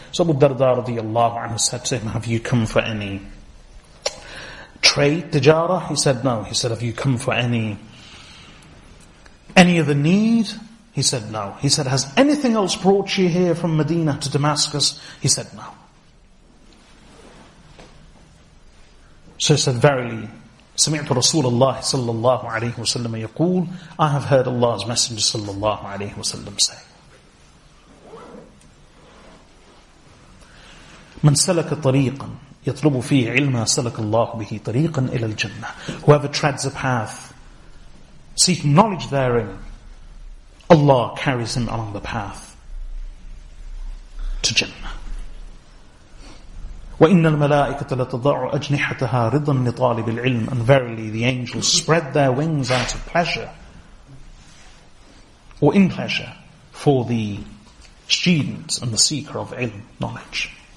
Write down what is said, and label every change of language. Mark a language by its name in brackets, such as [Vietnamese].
[English] So Abu Darda radiallahu anhu said to him, have you come for any trade, tijara? He said, no. He said, have you come for any other need? He said, no. He said, has anything else brought you here from Medina to Damascus? He said, no. So he said, verily, [Arabic] سمعت رسول الله صلى الله عليه وسلم يقول, [English] I have heard Allah's Messenger [Arabic] صلى الله عليه وسلم [English] say, [Arabic] من سلك طريقا يطلب فيه علما سلك الله به طريقا إلى الجنة. [English] Whoever treads a path seeking knowledge therein, Allah carries him along the path to Jannah. [Arabic] وَإِنَّ الْمَلَائِكَةَ لَتَضَعُ أَجْنِحَتَهَا رِضًا لِطَالِبِ الْعِلْمِ. [English] And verily the angels spread their wings out of pleasure or in pleasure for the student and the seeker of ilm, knowledge.